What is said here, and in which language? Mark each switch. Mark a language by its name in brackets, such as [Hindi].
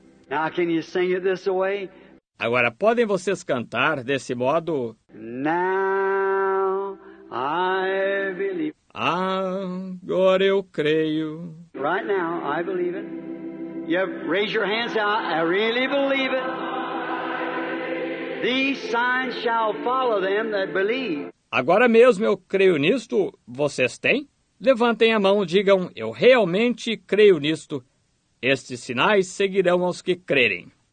[English] Now can you sing it this way? [Portuguese] Agora podem vocês cantar desse modo? [English] Now I believe. [Portuguese] Agora eu creio. [English] Right now I believe it. You raise your hands out. I really believe it. These signs shall follow them that believe. [Portuguese] Agora mesmo eu creio nisto. Vocês têm? Levantem a mão e digam: eu realmente creio nisto. Estes sinais seguirão aos que crerem.